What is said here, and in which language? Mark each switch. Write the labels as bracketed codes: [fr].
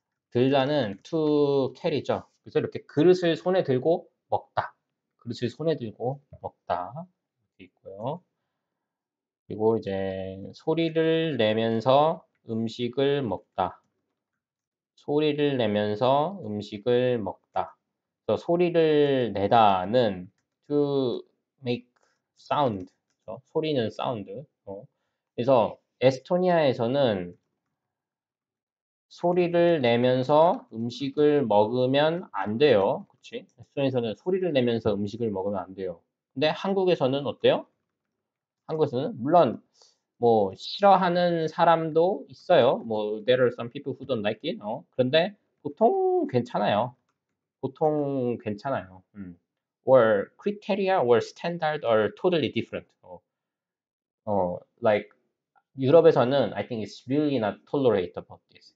[ko] 들다는 [en] to carry [ko] 죠. 그래서 이렇게 그릇을 손에 들고 먹다. 그릇을 손에 들고 먹다. 이렇게 있고요. 그리고 이제 소리를 내면서 음식을 먹다. 소리를 내면서 음식을 먹다. 소리를 내다는 [en] to make sound. [ko] 그렇죠? 소리는 sound. 그래서 에스토니아에서는 소리를 내면서 음식을 먹으면 안 돼요. 그치? 에스토니아에서는 소리를 내면서 음식을 먹으면 안 돼요. 근데 한국에서는 어때요? 한국에서는? 물론, 뭐, 싫어하는 사람도 있어요. [en] 뭐, there are some people who don't like it. [ko] 그런데 보통 괜찮아요. 보통 괜찮아요. [en] Or criteria, or standard, or totally different. Like 유럽에서는 I think it's really not tolerate about this.